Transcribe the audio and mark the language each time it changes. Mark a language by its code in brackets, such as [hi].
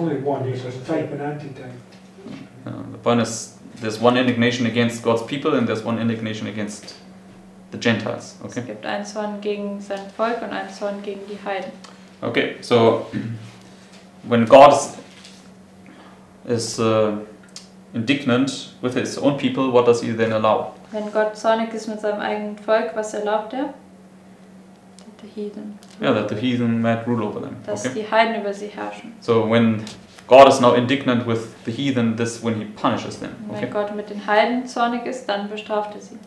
[en] The point is, there's one indignation against God's people and there's one indignation against the Gentiles. Okay. [de] Es gibt einen Zorn gegen sein Volk und einen Zorn gegen die Heiden. [en] Okay, so when God is indignant with his own people, what does he then allow? [de] Wenn Gott zornig ist mit seinem eigenen Volk, was erlaubt er? [en] That the heathen might rule over them. [de] Dass die Heiden über sie herrschen. [en] So when God is now indignant with the heathen, this when he punishes them. Okay. [de] Wenn Gott mit den Heiden zornig ist, dann bestraft er sie.